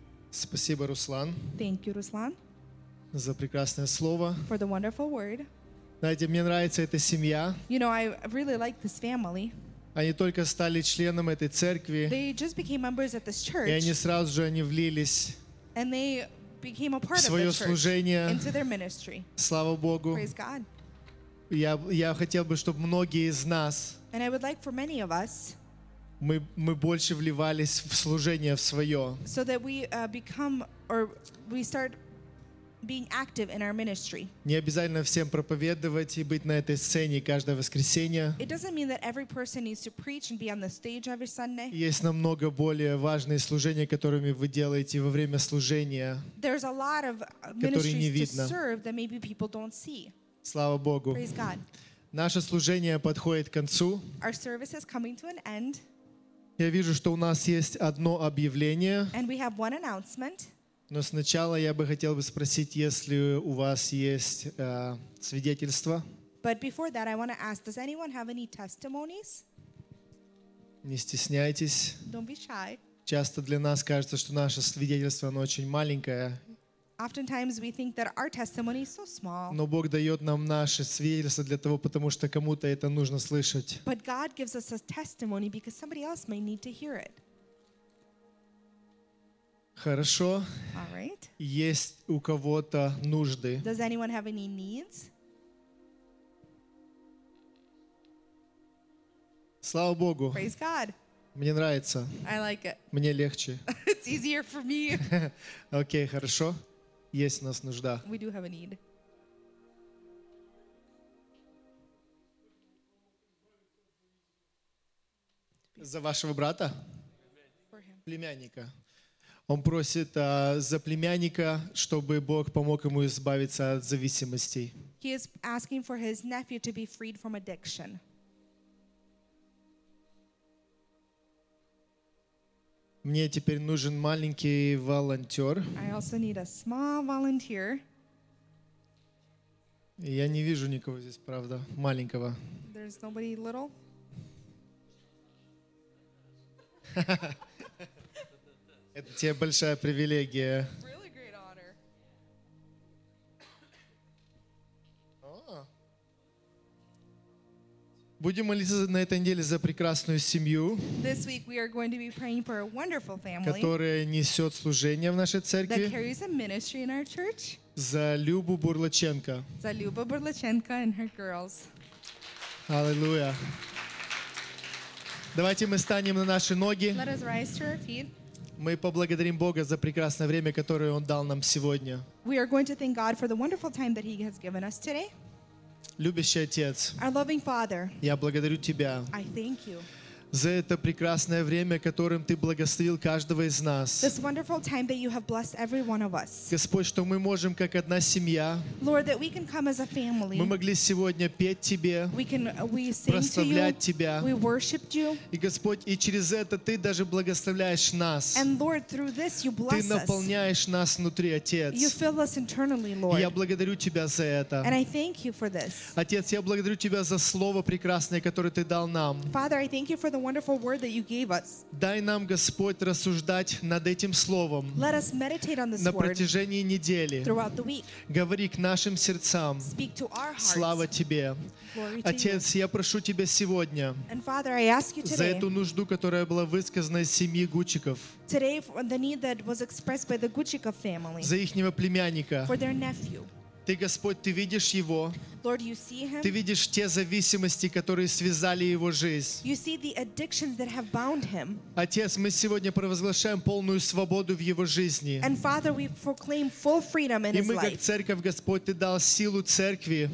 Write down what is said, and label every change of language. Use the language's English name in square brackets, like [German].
[Russian] Спасибо, Руслан. [English] Thank you, Ruslan. [Russian] За прекрасное слово. [English] For the wonderful word. [Russian] Знаете, мне нравится эта семья. [English] You know, I really like this family. [Russian] Они только стали членом этой церкви. [English] They just became members of this church. [Russian] И они сразу же они влились. [English] And they became a part [Russian] свое [English] of the [Russian] служение. [English] Church into their ministry. [Russian] Слава Богу. [English] Praise God. [Russian] Я хотел бы, чтобы многие из нас [English] And I would like for many of us [Russian] мы больше вливались в служение в свое. [English] So that we become or we start being active in our ministry. [Russian] Не обязательно всем проповедовать и быть на этой сцене каждое воскресенье. [English] It doesn't mean that every person needs to preach and be on the stage every Sunday. [Russian] Есть намного более важные служения, которыми вы делаете во время служения. [English] There's a lot of ministries to serve that maybe people don't see. [Russian] Слава Богу. [English] Praise God. [Russian] Наше служение подходит к концу. [English] Our service is coming to an end. [Russian] Я вижу, что у нас есть одно объявление. [English] And we have one announcement. [Russian] Но сначала я бы хотел бы спросить, если у вас есть свидетельство. [English] But before that, I want to ask, does anyone have any testimonies? [Russian] Не стесняйтесь. [English] Don't be shy. [Russian] Часто для нас кажется, что наше свидетельство, оно очень маленькое. [English] Oftentimes we think that our testimony is so small. [Russian] Но Бог дает нам наше свидетельство для того, потому что кому-то это нужно слышать. [English] But God gives us a testimony because somebody else may need to hear it. [Russian] Хорошо. [English] All right. [Russian] Есть у кого-то нужды? [English] Does anyone have any needs? [Russian] Слава Богу. [English] Praise God. [Russian] Мне нравится. [English] I like it. [Russian] Мне легче. [English] It's easier for me. [Russian] Окей, хорошо. Есть у нас нужда. [English] We do have a need. [Russian] За вашего брата? [English] For him. [Russian] Племянника. Он просит за племянника, чтобы Бог помог ему избавиться от зависимостей. [English] He is asking for his nephew to be freed from addiction. [Russian] Мне теперь нужен маленький волонтер. [English] I also need a small volunteer. [Russian] Я не вижу никого здесь, правда, маленького. [English] There's nobody little. [Russian] Это тебе большая привилегия. [English] Really great honor. [Russian] Будем молиться на этой неделе за прекрасную семью, [English] This week we are going to be praying for a wonderful family, [Russian] которая несет служение в нашей церкви, [English] that carries a ministry in our church, [Russian] за Любу Бурлаченко. За [English] Люба Бурлаченко and her girls. [Russian] Аллилуйя. Давайте мы станем на наши ноги. [English] Let us rise to our feet. [Russian] Мы поблагодарим Бога за прекрасное время, которое Он дал нам сегодня. [English] We are going to thank God for the wonderful time that He has given us today. [Russian] Любящий Отец, [English] Our loving Father, [Russian] я благодарю Тебя [English] I thank you [Russian] За это прекрасное время, которым ты благословил каждого из нас. [English] This wonderful time that you have blessed every one of us. [Russian] Господь, что мы можем как одна семья. [English] Lord, that we can come as a family. [Russian] Мы могли сегодня петь тебе. [English] We sing [Russian] прославлять [English] to you, [Russian] тебя. [English] We worshiped you. [Russian] И Господь, и через это ты даже благословляешь нас. [English] And Lord, through this you bless us. [Russian] Ты наполняешь нас внутри, Отец. [English] You fill us internally, Lord. [Russian] И я благодарю тебя за это. [English] And I thank you for this. [Russian] Отец, я благодарю тебя за слово прекрасное, которое ты дал нам. [English] Father, I thank you for the wonderful word that you gave us. [Russian] Дай нам, Господь, рассуждать над этим словом. [English] Let us meditate on this word. [Russian] На протяжении недели. [English] Throughout the week. [Russian] Говори к нашим сердцам. [English] Speak to our hearts. [Russian] Слава тебе. [English] Glory [Russian] Отец, [English] to you. [Russian] Я прошу тебя сегодня. [English] And Father, I ask you today. [Russian] За эту нужду, которая была высказана из семьи Гучиков. [English] Today, for the need that was expressed by the Гучиков family. [Russian] За ихнего племянника. [English] For their nephew. [Russian] Ты, Господь, ты видишь его. [English] Lord, you see him. [Russian] Ты видишь те зависимости, которые связали его жизнь. [English] You see the addictions that have bound him. [Russian] Отец, мы сегодня провозглашаем полную свободу в его жизни. [English] And Father, we proclaim full freedom in his life. [Russian] И мы как церковь, Господь, ты дал силу церкви.